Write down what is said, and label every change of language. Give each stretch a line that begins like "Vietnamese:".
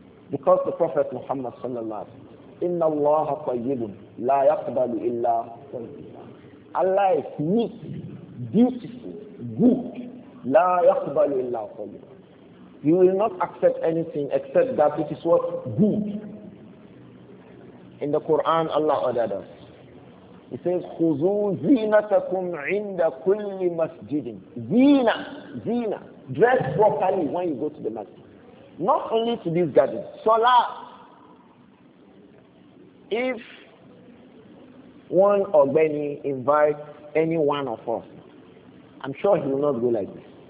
English: Because the Prophet Muhammad sallallahu alayhi wa sallam, inna allaha tayyibun la yaqbalu illa tayyibah. Allah is neat, beautiful, good.
Arabic: La yaqbalu illa tayyibah.
English: He will not accept anything except that it is what? Good. In the Quran, Allah ordered us. He says,
Arabic: خُذُوا زِينَتَكُمْ عِنْدَ كُلِّ مَسْجِدٍ. Zina, zina.
English: Dress properly when you go to the masjid. Not only to this garden. Salah. If one or many invite any one of us, I'm sure he will not go like this.